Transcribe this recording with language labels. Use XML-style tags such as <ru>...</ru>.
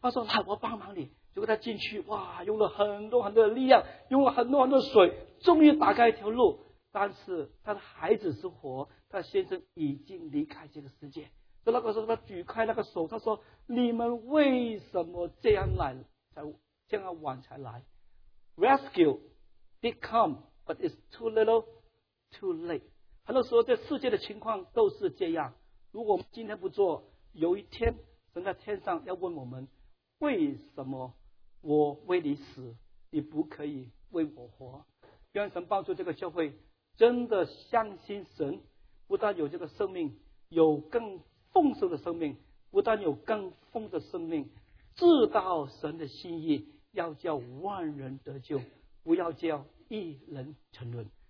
<zh>他说：“来，我帮忙你。” 结果他进去，哇，用了很多很多的力量，用了很多很多水，终于打开一条路。但是他的孩子是活，他先生已经离开这个世界。所以那个时候他举开那个手，他说：“你们为什么这样来，才这样晚才来？</zh> <en>Rescue did come, but it's too little, too late。”</en> <zh>很多时候这世界的情况都是这样，如果我们今天不做，有一天神在天上要问我们：“为什么我为你死，你不可以为我活？” 愿神帮助这个教会真的相信神，不但有这个生命，有更丰盛的生命，不但有更丰的生命，知道神的心意，要叫万人得救，不要叫一人沉沦。</zh>